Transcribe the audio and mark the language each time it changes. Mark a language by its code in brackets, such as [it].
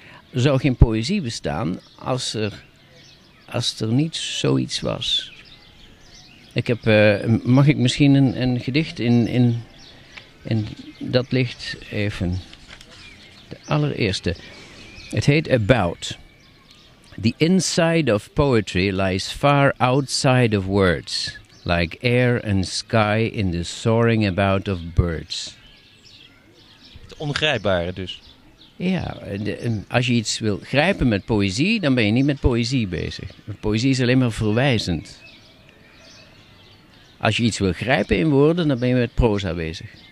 [nl] Er zou geen poëzie bestaan als er niet zoiets was. Ik heb, mag ik misschien een gedicht in dat licht even? De allereerste. Het heet About. [en] The inside of poetry lies far outside of words, like air and sky in the soaring about of birds. [nl] Het ongrijpbare dus. Ja, als je iets wil grijpen met poëzie, dan ben je niet met poëzie bezig. Poëzie is alleen maar verwijzend. Als je iets wil grijpen in woorden, dan ben je met proza bezig.